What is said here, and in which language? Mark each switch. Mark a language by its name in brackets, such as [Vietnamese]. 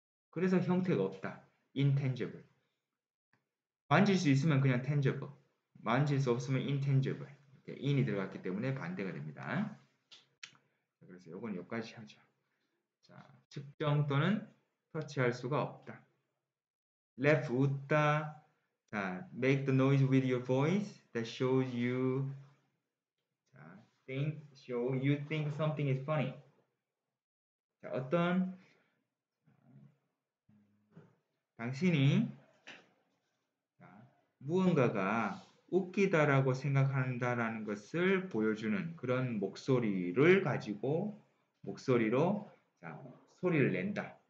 [Korean] 그래서 형태가 없다. intangible. 만질 수 있으면 그냥 tangible, 만질 수 없으면 intangible. 이렇게 in이 들어갔기 때문에 반대가 됩니다. 그래서 요건 여기까지 하죠. 자, 측정 또는 터치할 수가 없다. laugh, 웃다. [English] 자, make the noise with your voice that shows you, 자, think, show you think something is funny. [Korean] 자, 어떤, 당신이 무언가가 웃기다라고 생각한다라는 것을 보여주는 그런 목소리를 가지고 목소리로 자, 소리를 낸다.